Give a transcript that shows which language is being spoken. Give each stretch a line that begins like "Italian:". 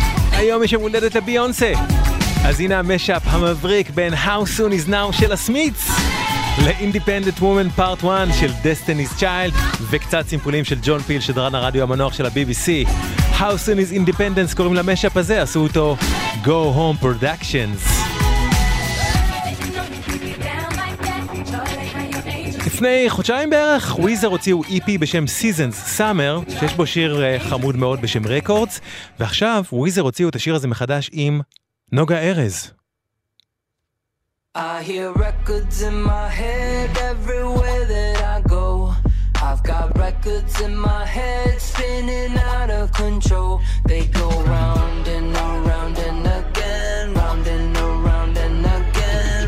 Hebrew: היום יש יום הולדת לביונסה, אז הנה המשאפ המבריק בין How Soon Is Now של הסמיץ לאינדיפנדנט וומן פארט 1 של דסטיניס צ'יילד, וקצת סימפולים של ג'ון פיל שדרן הרדיו המנוח של ה-BBC. How Soon Is Independence קוראים למשאפ הזה, עשו אותו Go Home Productions. לפני חודשיים בערך, וויזר הוציאו EP בשם Seasons Summer, שיש בו שיר חמוד מאוד בשם Records, ועכשיו וויזר הוציאו את השיר הזה מחדש עם נוגה ארז.
English: I hear records in my head everywhere that I go. I've got records in my head spinning out of control. They go round and around and again, round and around and again.